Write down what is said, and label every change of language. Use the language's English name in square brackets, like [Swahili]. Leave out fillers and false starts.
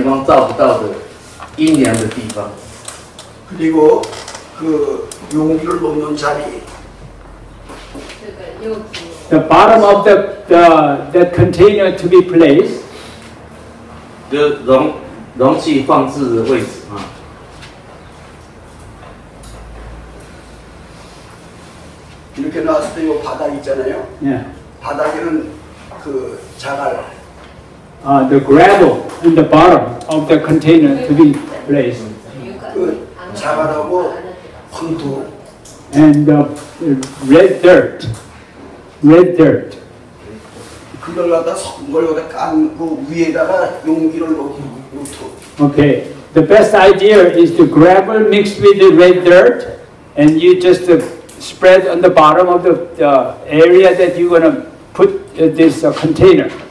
[Chinese] 场所就是在直射阳光照不到的阴凉的地方. [Korean] 그리고 그 용기를 놓는 자리. [English] The bottom of the container to be placed. [Chinese] 就容器放置的位置. [Korean] 이렇게 나왔을 때 이 바닥 있잖아요. [English] Yeah. [Korean] 바닥에는 그 자갈. [English] The gravel in the bottom of the container to be placed. [Korean] 그 자갈하고 황토. [English] And red dirt. Red dirt. [Korean] 그걸 갖다 성걸 갖다 깐고 위에다가 용기를 놓고. [English] Okay. The best idea is the gravel mixed with the red dirt, and you just spread on the bottom of the area that you're going to put this container.